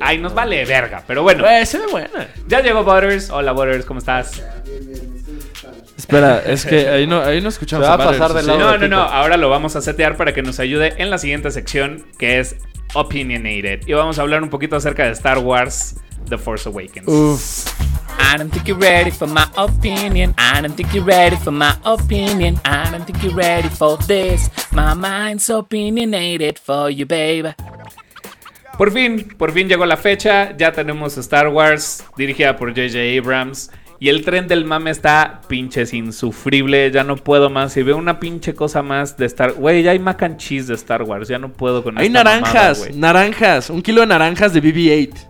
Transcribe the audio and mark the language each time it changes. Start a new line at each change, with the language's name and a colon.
Spanish: Ay, nos vale verga. Pero bueno. Güey, se ve buena. Ya llegó Butters. Hola, Butters, ¿cómo estás? Espera, es que ahí no escuchamos. Se va a pasar de lado. No, ahora lo vamos a setear para que nos ayude en la siguiente sección, que es Opinionated. Y vamos a hablar un poquito acerca de Star Wars The Force Awakens. Uff.
English: I don't think you're ready for my opinion. I don't think you're ready for my opinion. I don't think you're ready for this. My mind's opinionated for you, babe.
Spanish: Por fin llegó la fecha. Ya tenemos Star Wars, dirigida por J.J. Abrams. Y el tren del mame está pinches insufrible. Ya no puedo más. Y veo una pinche cosa más de Star... Güey, ya hay mac and cheese de Star Wars. Ya no puedo con esta mamada, güey. Hay naranjas. Naranjas. Un kilo de naranjas de BB-8.